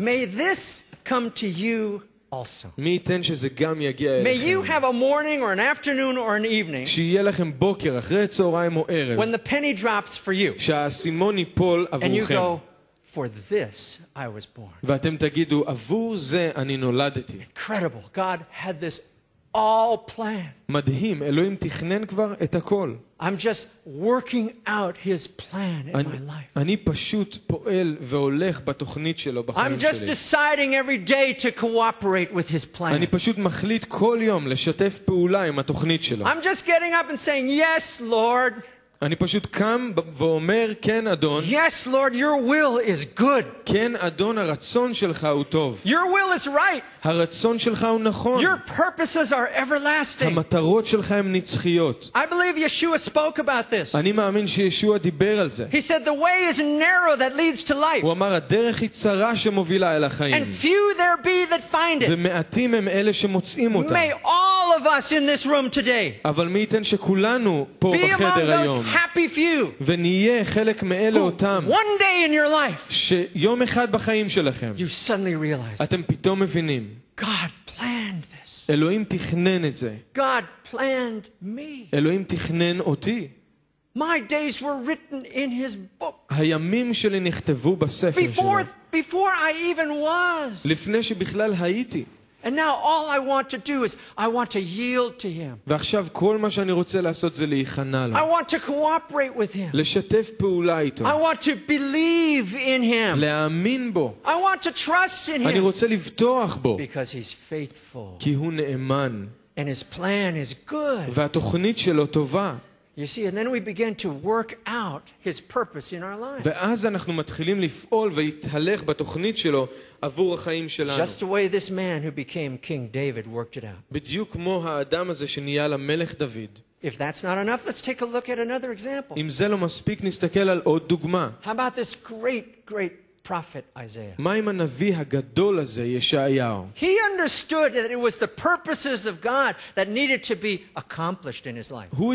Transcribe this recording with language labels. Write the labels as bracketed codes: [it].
[en] May this come to you also. [he] מי יתן שזה גם יגיע אליכם. [en] May you have a morning or an afternoon or an evening, [he] שיהיה לכם בוקר, אחרי צהריים או ערב, [en] when the penny drops for you, [he] שהסימון ייפול עבורכם, [en] and you go, for this I was born. [he] ואתם תגידו, עבור זה אני נולדתי. [en] Incredible. God had this all planned. [he] מדהים. אלוהים תכנן כבר את הכל. [en] I'm just working out his plan in my life. [he] אני פשוט פועל והולך בתוכנית שלו בחיים שלי. [en] I'm just deciding every day to cooperate with his plan. [he] אני פשוט מחליט כל יום לשתף פעולה עם התוכנית שלו. [en] I'm just getting up and saying, "Yes, Lord." [he] אני פשוט קם ואומר, "כן, אדון." [en] "Yes, Lord, your will is good." [he] "כן, אדון, הרצון שלך הוא טוב." [en] "Your will is right." [he] הרצון שלך הוא נכון. [en] "Your purposes are everlasting." [he] המטרות שלך הן נצחיות. [en] "I believe Yeshua spoke about this." [he] אני מאמין שישוע דיבר על זה. [en] "He said the way is narrow that leads to life." [he] הוא אמר, הדרך היא צרה שמובילה אל החיים. [en] "And few there be that find it." [he] ומעטים הם אלה שמוצאים אותה. [en] "May all of us in this room today." [he] אבל מי ייתן שכולנו פה בחדר היום. [en] "Happy few." [he] ונהיה חלק מאלה אותם. [en] "One day in your life." [he] שיום אחד בחיים שלכם. [en] "You suddenly realize." [he] אתם פתאום מבינים. [en] "God planned this." [he] אלוהים תכנן את זה. [en] "God planned me." [he] אלוהים תכנן אותי. [en] "My days were written in his book." [he] הימים שלי נכתבו בספר שלו. [en] "Before I even was." [he] לפני שבכלל הייתי. [en] "And now all I want to do is I want to yield to him." [he] ועכשיו כל מה שאני רוצה לעשות זה להיכנע לו. [en] "I want to cooperate with him." [he] לשתף פעולה איתו. [en] "I want to believe in him." [he] להאמין בו. [en] "I want to trust in him." [he] אני רוצה לבטוח בו. [en] "Because he's faithful." [he] כי הוא נאמן. [en] "And his plan is good." [he] והתוכנית שלו טובה. [en] You see, and then we begin to work out his purpose in our lives. [he] ואז אנחנו מתחילים לפעול ולהתהלך בתוכנית שלו עבור החיים שלנו. [en] Just the way this man who became King David worked it out. [he] בדיוק כמו האדם הזה שנהיה למלך דוד. [en] If that's not enough, let's take a look at another example. [he] אם זה לא מספיק, נסתכל על עוד דוגמה. [en] How about this great prophet Isaiah. He understood that it was the purposes of God that needed to be accomplished in his life.